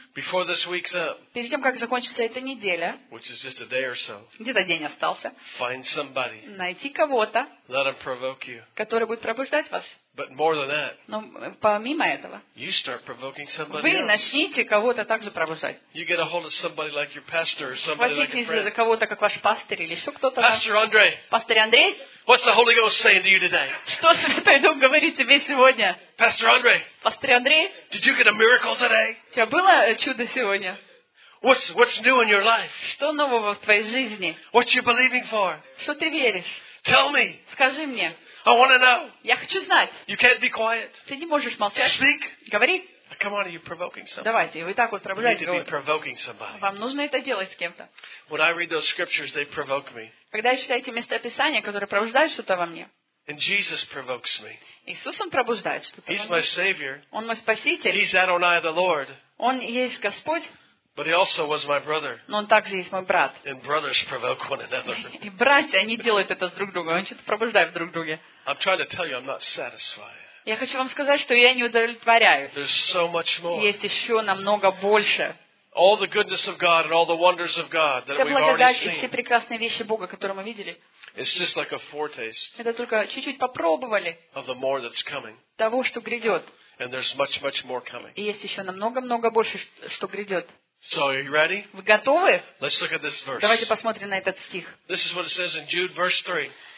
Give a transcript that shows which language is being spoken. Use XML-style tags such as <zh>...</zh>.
<en>Before this week's up.</en> <ru>Перед тем, как закончится эта неделя.</ru> <en>Which is just a day or so.</en> <ru>Где-то день остался.</ru> <en>Find somebody.</en> <ru>Найти кого-то.</ru> <en>Let them provoke you.</en> <ru>Который будет пробуждать вас.</ru> <en>But more than that.</en> <ru>Но помимо этого.</ru> <en>You start provoking somebody.</en> <ru>Вы начните кого-то также пробуждать.</ru> <en>You get a hold of somebody like your pastor or somebody like a friend.</en> <ru>Схватите за кого-то, как ваш пастырь или еще кто-то.</ru> <en>Pastor Andre.</en> <ru>Пастырь Андрей.</ru> <en>What's the Holy Ghost saying to you today?</en> <ru>Что Святой Дух говорит тебе сегодня?</ru> <en>Pastor Andre.</en> <ru>Пастор Андрей.</ru> <en>Did you get a miracle today?</en> <ru>У тебя было чудо сегодня?</ru> <en>What's new in your life?</en> <ru>Что нового в твоей жизни?</ru> <en>What you believing for?</en> <ru>Что ты веришь?</ru> <en>Tell me.</en> <ru>Скажи мне.</ru> <en>I want to know.</en> <ru>Я хочу знать.</ru> <en>You can't be quiet.</en> <ru>Ты не можешь молчать.</ru> <en>Speak.</en> <ru>Говори.</ru> <en>Come on, are you provoking somebody?</en> <ru>Давайте, вы так вот пробуждаете.</ru> <en>You need to be provoking somebody.</en> <ru>Вам нужно это делать с кем-то.</ru> <en>When I read those scriptures, they provoke me.</en> <ru>Когда я читаю эти места Писания, которые пробуждают что-то во мне.</ru> <en>And Jesus provokes me.</en> <ru>Иисус, Он пробуждает что-то во мне.</ru> <en>He's my Savior.</en> <ru>Он мой Спаситель.</ru> <en>He's Adonai, the Lord.</en> <ru>Он есть Господь.</ru> <en>But he also was my brother.</en> <ru>Но он также есть мой брат.</ru> <en>And brothers provoke one another.</en> <ru>И братья, они делают это с друг другом. Они что-то пробуждают друг друга.</ru> <en>I'm trying to tell you, I'm not satisfied.</en> <ru>Я хочу вам сказать, что я не удовлетворяюсь.</ru> <en>There's so much more.</en> <ru>Есть еще намного больше.</ru> <en>All the goodness of God and all the wonders of God that we've already seen.</en> <ru>Вся благодать и все прекрасные вещи Бога, которые мы видели.</ru> <en>It's just like a foretaste.</en> <ru>Это только чуть-чуть попробовали.</ru> <en>Of the more that's coming.</en> <ru>Того, что грядет.</ru> <en>And there's much, much more coming.</en> <ru>И есть еще намного-много больше, что грядет.</ru> <en>So are you ready?</en> <ru>Вы готовы?</ru> <en>Let's look at this verse.</en> <ru>Давайте посмотрим на этот стих.</ru> <en>This is what it says in Jude, verse 3.</en>